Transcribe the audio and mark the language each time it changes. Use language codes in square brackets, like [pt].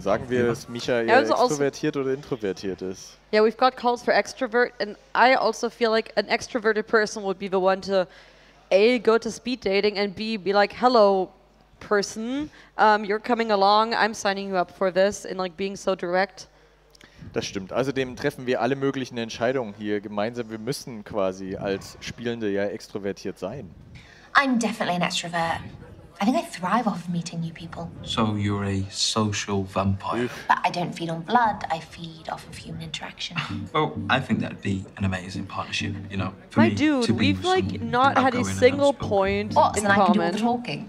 [de] Sagen wir, dass Michael extrovertiert oder introvertiert ist? [en] Yeah, we've got calls for extrovert, and I also feel like an extroverted person would be the one to A, go to speed dating, and B, be like, hello, person, you're coming along, I'm signing you up for this, and like being so direct. [de] Das stimmt. Außerdem treffen wir alle möglichen Entscheidungen hier gemeinsam. Wir müssen quasi als Spielende ja extrovertiert sein. [en] I'm definitely an extrovert. I think I thrive off meeting new people. So you're a social vampire. But I don't feed on blood, I feed off of human interaction. Well, I think that'd be an amazing partnership, you know. For my me dude, to be we've like not had a single point what, in so I can do all the talking?